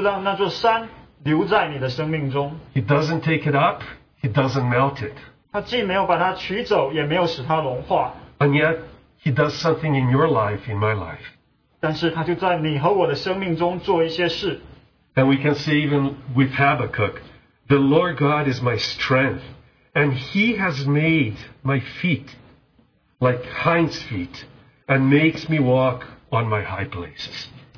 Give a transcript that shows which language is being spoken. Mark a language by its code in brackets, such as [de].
[zh] 就像我们刚才Richard弟兄读到的那些经文，有时候主就让那座山留在你的生命中。 [en] He doesn't take it up, He doesn't melt it. [zh] 他既没有把它取走，也没有使它融化。 [en] And yet, He does something in your life, in my life. [zh] 但是他就在你和我的生命中做一些事。 [en] And we can see even with Habakkuk, the Lord God is my strength, and He has made my feet like hinds feet, and makes me walk on my high places.